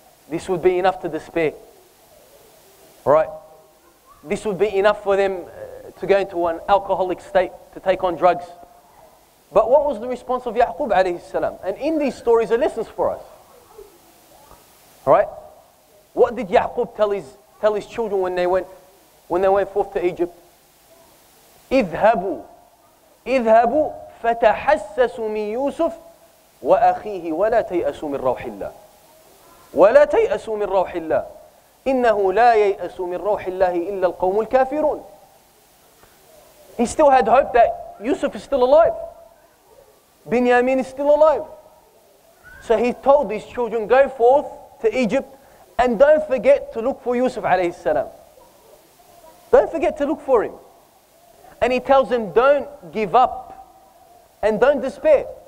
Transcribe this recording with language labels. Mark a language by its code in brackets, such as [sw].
[en] This would be enough to despair. Right? This would be enough for them to go into an alcoholic state, to take on drugs. But what was the response of Ya'qub alayhi salam? And in these stories are lessons for us. Right? What did Ya'qub tell his children when they went forth to Egypt? [ar] اذهبوا اذهبوا فتحسسوا من يوسف وأخيه ولا تيأسوا من روح الله ولا تيأسوا من روح الله إنه لا ييأس من روح الله إلا القوم الكافرون. [en] He still had hope that Yusuf is still alive. Binyamin is still alive. So he told his children, go forth to Egypt and don't forget to look for Yusuf alayhi salam. Don't forget to look for him. And he tells them, don't give up and don't despair.